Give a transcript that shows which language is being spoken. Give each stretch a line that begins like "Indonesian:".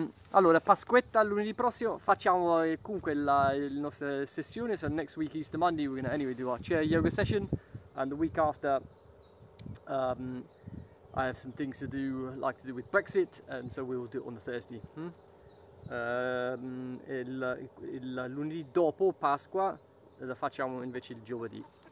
Italian: Allora, Pasquetta lunedì prossimo facciamo comunque la nostra sessione.
English: So next week is the Monday, we're gonna anyway do our chair yoga session, and the week after I have some things to do, like to do with Brexit, and so we will do it on the Thursday.
Italian: Il lunedì dopo Pasqua la facciamo invece il giovedì.